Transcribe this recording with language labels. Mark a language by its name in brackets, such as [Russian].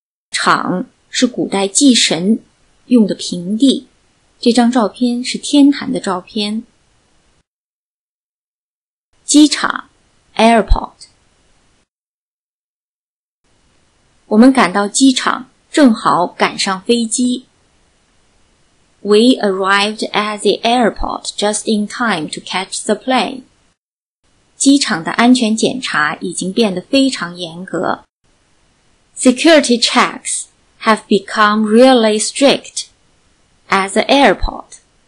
[Chinese] 场是古代祭神用的平地，这张照片是天坛的照片。机场 ,airport。我们赶到机场，正好赶上飞机。 [English] We arrived at the airport just in time to catch the plane. [Chinese] 机场的安全检查已经变得非常严格。 [English] Security checks have become really strict at the airport.